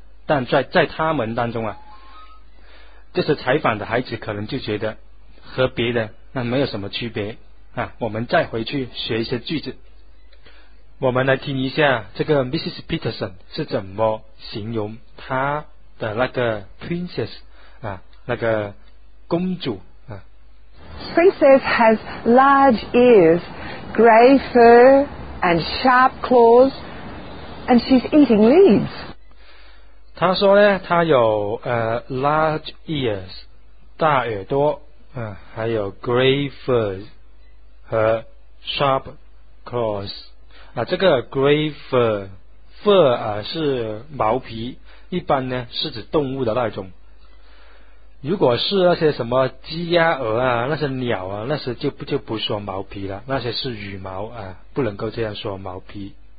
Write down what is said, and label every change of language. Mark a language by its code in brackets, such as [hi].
[zh] 但在他们当中啊，这些采访的孩子可能就觉得和别的那没有什么区别啊。我们再回去学一些句子，我们来听一下这个 Mrs. Peterson 是怎么形容他的那个 Princess 啊，那个公主。 [en] Princess has large ears, gray fur, and sharp claws, and she's eating leaves. [zh] 他说呢，他有 [en] large ears, [zh] 大耳朵，还有 [en] gray fur [zh] 和 [en] sharp claws。 [zh] 这个 gray fur 是毛皮，一般呢是指动物的那种。如果是那些什么鸡鸭鹅啊，那些鸟啊，那些就不说毛皮了，那些是羽毛啊，不能够这样说毛皮。